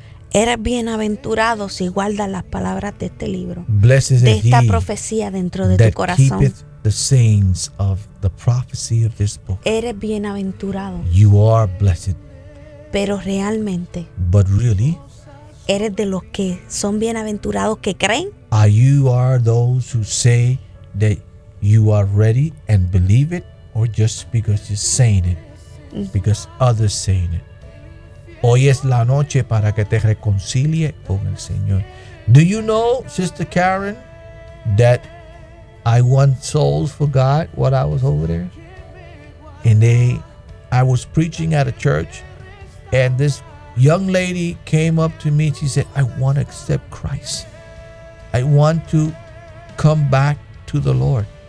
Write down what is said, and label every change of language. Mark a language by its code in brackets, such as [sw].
[es] Eres bienaventurado si guardas las palabras de este libro, [en] blessed [es] de esta profecía dentro de tu corazón. [en] The sayings of the prophecy of this book. [es] Eres bienaventurado. [en] You are blessed. [es] Pero realmente. [en] But really. [es] Eres de los que son bienaventurados que creen. [en] Are you are those who say that you are ready and believe it, or just because you're saying it, because others saying it. Hoy es la noche para que te reconcilie con el Señor. Do you know, Sister Karen, that I won souls for God while I was over there? And I was preaching at a church, and this young lady came up to me. She said, I want to accept Christ. I want to come back to the Lord.